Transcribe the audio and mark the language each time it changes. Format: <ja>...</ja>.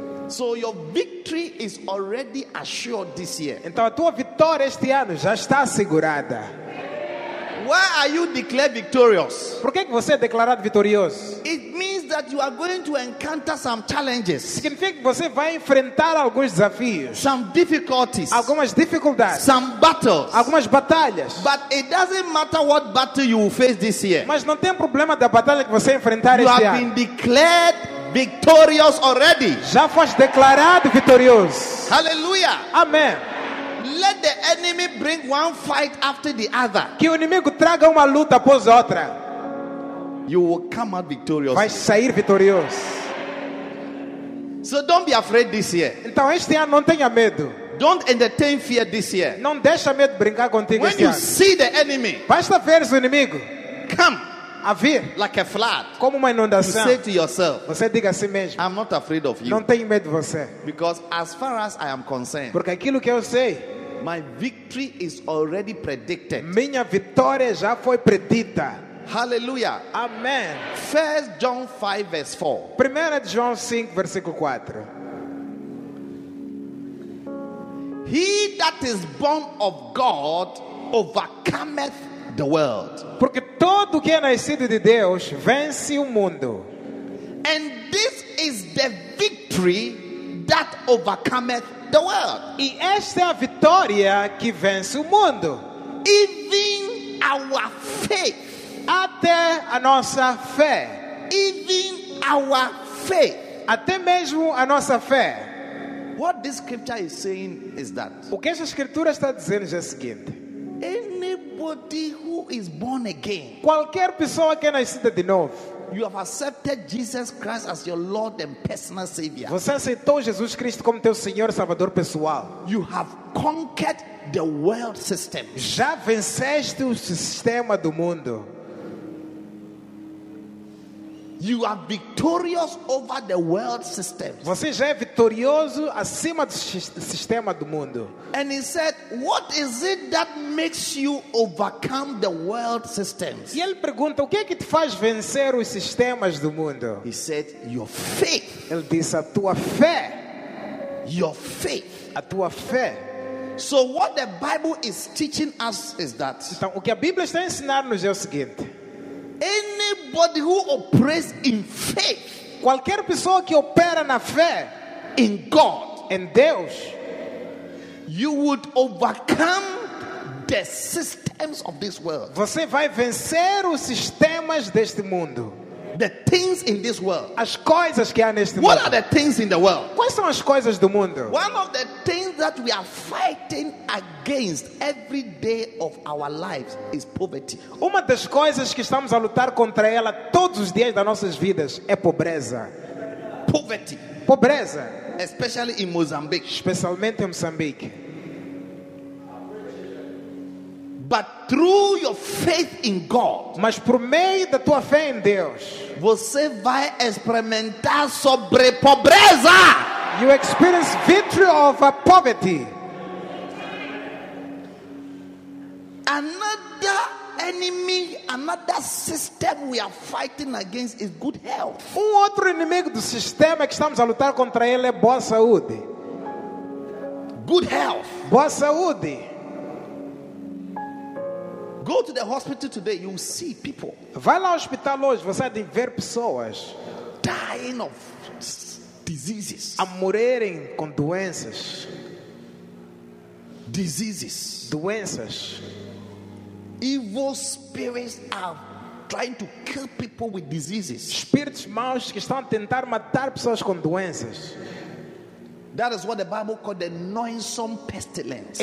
<en>So your victory is already assured this year.</en> <pt>Então a tua vitória este ano já está assegurada.</pt> <en>Why are you declared victorious?</en> <pt>Por que você é declarado vitorioso?</pt> <en>It means that you are going to encounter some challenges.</en> <pt>Significa que você vai enfrentar alguns desafios.</pt> <en>Some difficulties.</en> <pt>Algumas dificuldades.</pt> <en>Some battles.</en> <pt>Algumas batalhas.</pt> <en>But it doesn't matter what battle you will face this year.</en> <pt>Mas não tem problema da batalha que você enfrentar este</pt> <en>You have been declared victorious already.</en> <pt>Já foste declarado vitorioso.</pt> <en>Hallelujah.</en> <pt>Amém.</pt> <en>Let the enemy bring one fight after the other.</en> <pt>Que o inimigo traga uma luta após outra.</pt> <en>You will come out victorious.</en> <pt>Vai sair vitorioso.</pt> <en>So don't be afraid this year.</en> <pt>Então este ano não tenha medo.</pt> <en>Don't entertain fear this year.</en> <pt>Não deixa medo brincar contigo.</pt> <en>When</en> <pt>este</pt> <en>you</en> <pt>ano.</pt> <en>See the enemy,</en> <pt>basta ver o inimigo.</pt> <en>Come.</en> <pt>A vir,</pt> <en>like a flood,</en> <pt>como uma inundação.</pt> <en>You say to yourself,</en> <pt>você diga a si mesmo,</pt> <en>I'm not afraid of you.</en> <pt>Não tenho medo de você.</pt> <en>Because as far as I am concerned,</en> <pt>porque aquilo que eu sei,</pt> <en>my victory is already predicted.</en> <pt>Minha vitória já foi predita.</pt> <en>Hallelujah. Amen. 1 John 5 verse 4.</en> <pt>1 João 5 versículo 4.</pt> <en>He that is born of God overcometh the world.</en> <pt>Porque todo que é nascido de Deus vence o mundo.</pt> <en>And this is the victory that overcometh the world.</en> <pt>E esta é a vitória que vence o mundo.</pt> <en>Even our faith.</en> <pt>Até a nossa fé.</pt> <en>Even our faith.</en> <pt>Até mesmo a nossa fé.</pt> <en>What this scripture is saying is that.</en> <pt>O que essa escritura está dizendo é o seguinte.</pt> <en>Anybody who is born again.</en> <pt>Qualquer pessoa que nascida de novo.</pt> <en>You have accepted Jesus Christ as your Lord and personal Savior.</en> <pt>Você aceitou Jesus Cristo como teu Senhor e Salvador pessoal.</pt> <en>You have conquered the world system.</en> <pt>Já venceste o sistema do mundo.</pt> <en>You are victorious over the world system.</en> <pt>Você já é vitorioso acima do sistema do mundo.</pt> <en>And he said, what is it that makes you overcome the world systems?</en> <pt>E ele pergunta, o que é que te faz vencer os sistemas do mundo?</pt> <en>He said, your faith.</en> <pt>Ele disse, a tua fé.</pt> <en>Your faith.</en> <pt>A tua fé.</pt> <en>So what the Bible is teaching us is that.</en> <pt>Então, o que a Bíblia está ensinando-nos é o seguinte.</pt> <en>Anybody who operates in faith,</en> <pt>qualquer pessoa que opera na fé,</pt> <en>in God,</en> <pt>em Deus,</pt> <en>you would overcome the systems of this world.</en> <pt>Você vai vencer os sistemas deste mundo.</pt> <en>The things in this world.</en> <pt>As coisas que há neste</pt> <en>what</en> <pt>mundo.</pt> <en>What are the things in the world?</en> <pt>Quais são as coisas do mundo?</pt> <en>One of the things that we are fighting against every day of our lives is poverty.</en> <pt>Uma das coisas que estamos a lutar contra ela todos os dias das nossas vidas é pobreza.</pt> <en>Poverty.</en> <pt>Pobreza.</pt> <en>Especially in Mozambique.</en> <pt>Especialmente em Moçambique.</pt> <en>But through your faith in God,</en> <pt>mas por meio da tua fé em Deus, você vai experimentar sobre pobreza.</pt> <en>You experience victory over poverty. Another enemy, another system we are fighting against is good health.</en> <pt>Outro inimigo do sistema que estamos a lutar contra ele é boa saúde.</pt> <en>Good health.</en> <pt>Boa saúde.</pt> <en>Go to the hospital today, you will see people.</en> <pt>Vai lá ao hospital hoje, você vai ver pessoas</pt> <en>dying of diseases.</en> <pt>A morrerem com doenças.</pt> <en>Diseases.</en> <pt>Doenças.</pt> <en>Evil spirits are trying to kill people with diseases.</en> <pt>Espíritos maus que estão a tentar matar pessoas com doenças.</pt> <en>That is what the Bible called the noisome pestilence.</en>